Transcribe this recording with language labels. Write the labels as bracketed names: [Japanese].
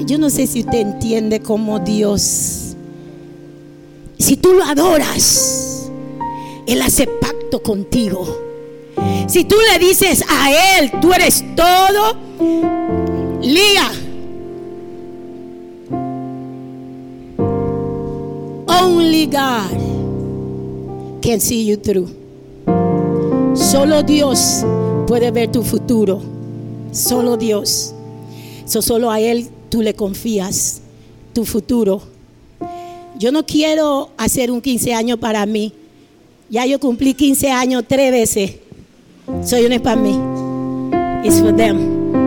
[Spanish] Yo no sé si usted entiende cómo Dios, si tú lo adoras, Él hace pacto contigo. Si tú le dices a Él, tú eres todo, liga. [English] Only God can see you through. [Spanish] Solo Dios puede ver tu futuro. Solo Dios. Solo a Él tú le confías tu futuro. Yo no quiero hacer un 15 años para mí. Ya yo cumplí 15 años 3 veces. Soy una para mí. [English] It's for them.